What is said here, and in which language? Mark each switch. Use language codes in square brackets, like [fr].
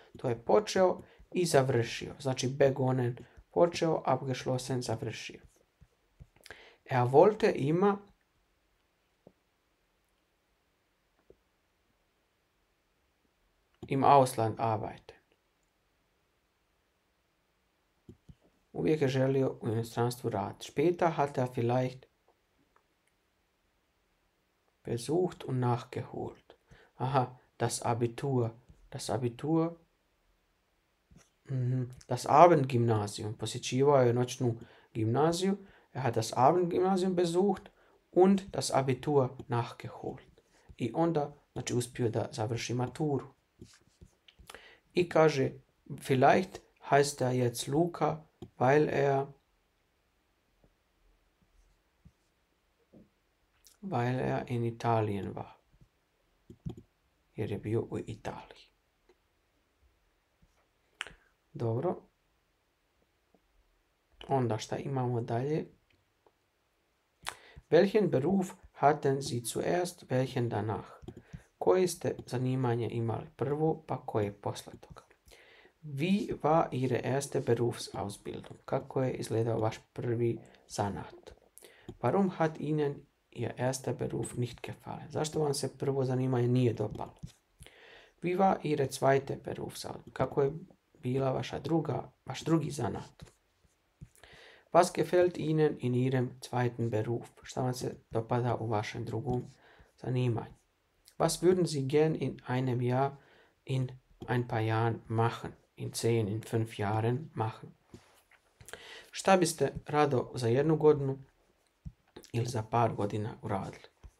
[sr] To je počeo i završio. Znači, begonnen počeo, abgeschlossen završio. [de] Wollte ima im Ausland arbeiten. [sr] Uvijek je želio u inostranstvu raditi. [de] Später hat er vielleicht besucht und nachgeholt. Aha, das Abitur. Das Abitur. [sr] Das Abendgymnasium. Posjećivao je noćnu gimnaziju. [de] Hat das Abendgymnasium besucht und das Abitur nachgeholt. [sr] I onda, znači, uspio da završi maturu. I kaže, [de] vielleicht heißt er jetzt Luca, weil er in Italien war. [sr] Jer je bio u Italiji. Dobro. Onda šta imamo dalje? [de] Welchen Beruf hatten Sie zuerst, welchen danach? [sr] Koje ste zanimanje imali prvo, pa koje posle toga? [de] Wie war Ihre erste Berufsausbildung? [sr] Kako je izgledao vaš prvi zanat? [de] Warum hat Ihnen Ihr erster Beruf nicht gefallen? [sr] Zašto vam se prvo zanimanje nije dopalo? [de] Wie war Ihre zweite Berufsausbildung? [sr] Kako je bila vaš drugi zanat? [de] Was gefällt Ihnen in Ihrem zweiten Beruf? [sr] Šta vam se dopada u vašem drugom zanimanju? [de] Was würden Sie gern in einem Jahr, in ein paar Jahren machen? In 10, in 5 Jahren machen? [sr] Šta biste rado za jednu godinu ili za par godina uradili?